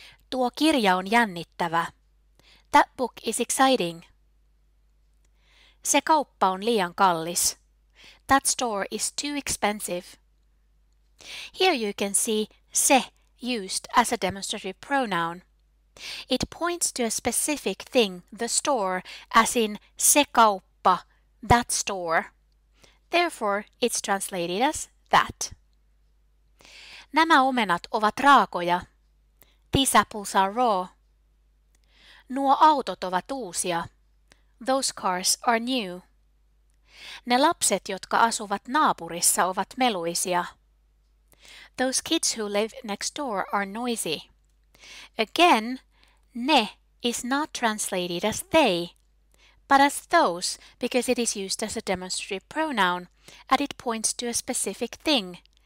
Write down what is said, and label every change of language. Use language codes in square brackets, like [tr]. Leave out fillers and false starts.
[fi] Tuo kirja on jännittävä. [en] That book is exciting. [fi] Se kauppa on liian kallis. [en] That store is too expensive. Here you can see se used as a demonstrative pronoun. It points to a specific thing, the store, as in se kauppa, that store. Therefore, it's translated as that. [fi] Nämä omenat ovat raakoja. [en] These apples are raw. [fi] Nuo autot ovat uusia. [en] Those cars are new. [fi] Ne lapset, jotka asuvat naapurissa, ovat meluisia. [en] Those kids who live next door are noisy. Again, ne is not translated as they, but as those, because it is used as a demonstrative pronoun, and it points to a specific thing.